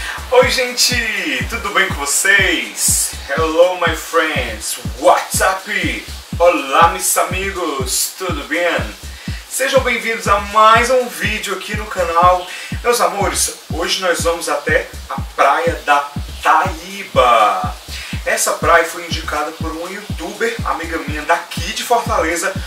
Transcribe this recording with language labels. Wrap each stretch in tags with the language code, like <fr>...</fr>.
<pt>Oi gente, tudo bem com vocês?</pt> <en>Hello my friends, what's up?</en> <pt>Olá meus amigos, tudo bem? Sejam bem-vindos a mais um vídeo aqui no canal. Meus amores, hoje nós vamos até a praia da Taíba. Essa praia foi indicada por um youtuber, amiga minha daqui de Fortaleza.</pt>